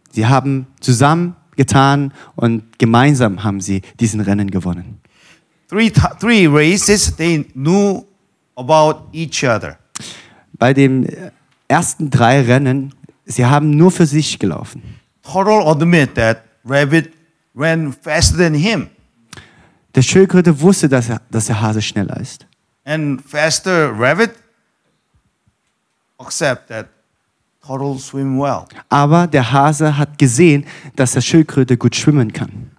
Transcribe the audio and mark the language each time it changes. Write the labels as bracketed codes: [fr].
[de] Sie haben zusammen getan und gemeinsam haben sie diesen Rennen gewonnen. [en] Three races, they knew about each other. [de] Bei den ersten drei Rennen, sie haben nur für sich gelaufen. [en] Turtle admit that Rabbit ran faster than him. [de] Der Schildkröte wusste, dass der Hase schneller ist. [en] And faster rabbit accept that turtle swim well. [de] Aber der Hase hat gesehen, dass der Schildkröte gut schwimmen kann.